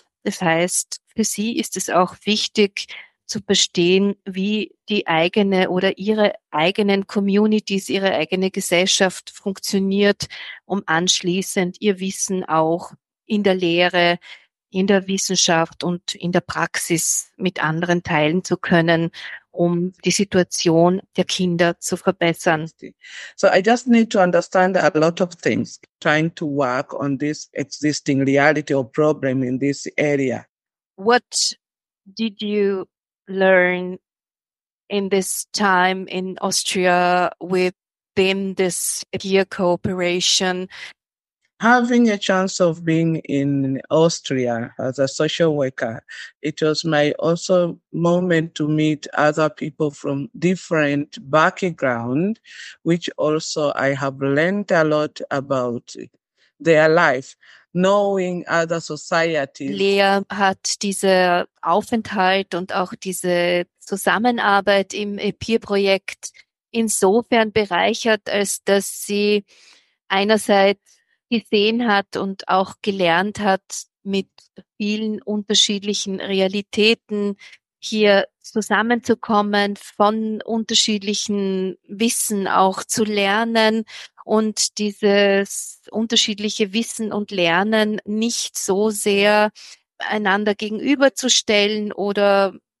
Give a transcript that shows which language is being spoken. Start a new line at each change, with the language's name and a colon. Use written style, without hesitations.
German: Das heißt, für sie ist es auch wichtig zu verstehen, wie die eigene oder ihre eigenen Communities, ihre eigene Gesellschaft funktioniert, um anschließend ihr Wissen auch in der Lehre, in der Wissenschaft und in der Praxis mit anderen teilen zu können, um die Situation der Kinder zu verbessern.
English: So I just need to understand a lot of things, trying to work on this existing reality or problem in this area. What did you learn in this time in Austria within this peer cooperation? Having a chance of being in Austria as a social worker, it was my also moment to meet other people from different background, which also I have learned a lot about their life, knowing other societies.
German: Lea hat diese Aufenthalt und auch diese Zusammenarbeit im EPIR-Projekt insofern bereichert, als dass sie einerseits gesehen hat und auch gelernt hat, mit vielen unterschiedlichen Realitäten hier zusammenzukommen, von unterschiedlichen Wissen auch zu lernen und dieses unterschiedliche Wissen und Lernen nicht so sehr einander gegenüberzustellen oder